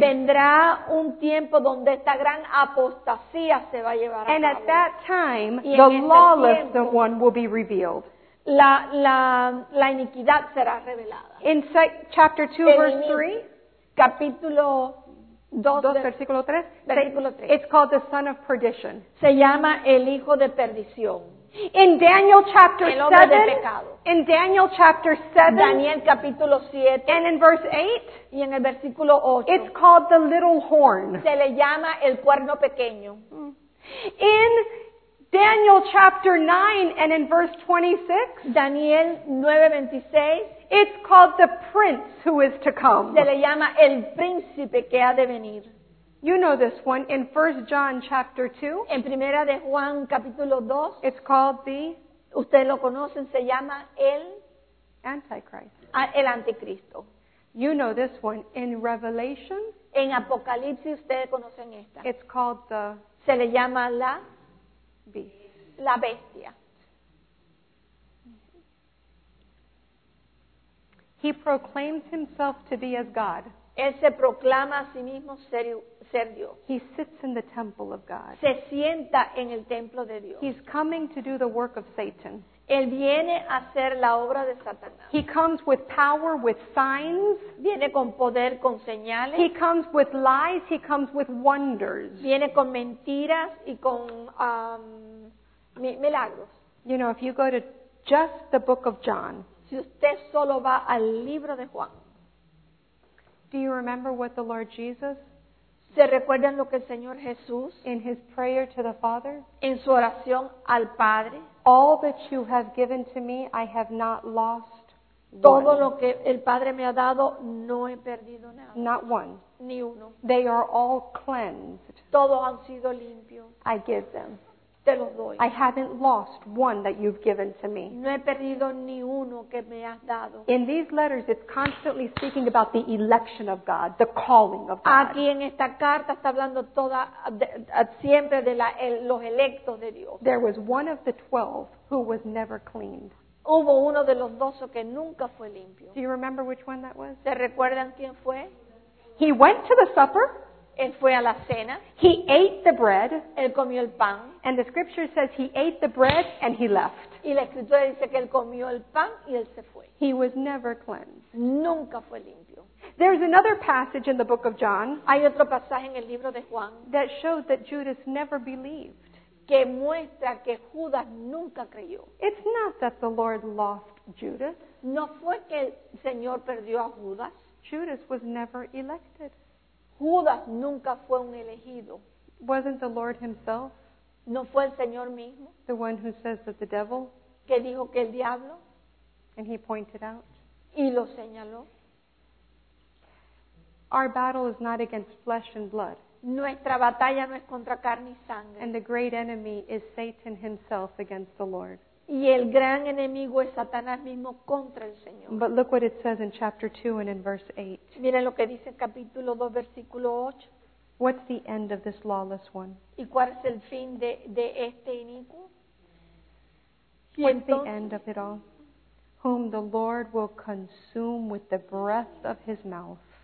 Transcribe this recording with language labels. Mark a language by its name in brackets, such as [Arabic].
[Spanish] Vendrá un tiempo donde esta gran apostasía se va a llevar a cabo. [English] And at that time, the lawless one will be revealed. [Spanish] La iniquidad será revelada. [English] In chapter 2, verse 3. [Spanish] Capítulo 2, versículo 3. [English] It's called the son of perdition. [Spanish] Se llama el hijo de perdición. [English] In Daniel chapter 7, in Daniel chapter 7, [Spanish] Daniel capítulo 7, [English] and in verse 8, [Spanish] y en el versículo 8, [English] it's called the little horn. [Spanish] Se le llama el cuerno pequeño. [English] In Daniel chapter 9, and in verse 26, [Spanish] Daniel 9:26, [English] it's called the prince who is to come. [Spanish] Se le llama el príncipe que ha de venir. [English] You know this one in 1 John chapter 2. [Spanish] En Primera de Juan capítulo 2. [English] It's called the. [Spanish] Ustedes lo conocen. Se llama el. [English] Antichrist. [Spanish] El anticristo. [English] You know this one in Revelation. [Spanish] En Apocalipsis ustedes conocen esta. [English] It's called the. [Spanish] Se le llama la. [English] Beast. [Spanish] La bestia. [English] He proclaims himself to be as God. [Spanish] Él se proclama a sí mismo ser Dios. [English] He sits in the temple of God. [Spanish] Se sienta en el templo de Dios. [English] He's coming to do the work of Satan. [Spanish] Él viene a hacer la obra de Satanás. [English] He comes with power, with signs. [Spanish] Viene con poder, con señales. [English] He comes with lies. He comes with wonders. [Spanish] Viene con mentiras y con milagros. [English] You know, if you go to just the book of John, [Spanish] si usted solo va al libro de Juan. [English] Do you remember what the Lord Jesus? [Spanish] ¿Se recuerdan lo que el Señor Jesús? [English] In his prayer to the Father. [Spanish] En su oración al Padre. [English] All that you have given to me, I have not lost. [Spanish] Todo [English] one. [Spanish] Lo que el Padre me ha dado, no he perdido nada. [English] Not one. [Spanish] Ni uno. [English] They are all cleansed. [Spanish] Todos han sido limpios. [English] I give them. [Spanish] Te los doy. [English] I haven't lost one that you've given to me. [Spanish] No he perdido ni uno que me has dado. [English] In these letters, it's constantly speaking about the election of God, the calling of God. [Spanish] Aquí en esta carta está hablando toda siempre de los electos de Dios. [English] There was one of the 12 who was never cleaned. [Spanish] Hubo uno de los 12 que nunca fue limpio. [English] Do you remember which one that was? [Spanish] ¿Se recuerdan quién fue? [English] He went to the supper. [Spanish] Él fue a la cena. [English] He ate the bread. [Spanish] Él comió el pan. [English] And the scripture says he ate the bread and he left. [Spanish] Y la escritura dice que él comió el pan y él se fue. [English] He was never cleansed. [Spanish] Nunca fue limpio. [English] There's another passage in the book of John. [Spanish] Hay otro pasaje en el libro de Juan. [English] That showed that Judas never believed. [Spanish] Que muestra que Judas nunca creyó. [English] It's not that the Lord lost Judas. [Spanish] No fue que el Señor perdió a Judas. [English] Judas was never elected. [Spanish] Judas nunca fue un elegido. [English] Wasn't the Lord himself? [Spanish] No fue el Señor mismo. [English] The one who says that the devil? [Spanish] Que dijo que el diablo. [English] And he pointed out. [Spanish] Y lo señaló. [English] Our battle is not against flesh and blood. [Spanish] Nuestra batalla no es contra carne y sangre. [English] And the great enemy is Satan himself against the Lord. [Spanish] Y el gran enemigo es Satanás mismo contra el Señor. [English] But look what it says in chapter 2 and in verse 8. [Spanish] Miren lo que dice en capítulo 2, versículo 8. [English] What's the end of this lawless one? [Spanish] ¿Y cuál es el fin de este inicuo? [English] What's the end of it all? Whom the Lord will consume with the breath of his mouth.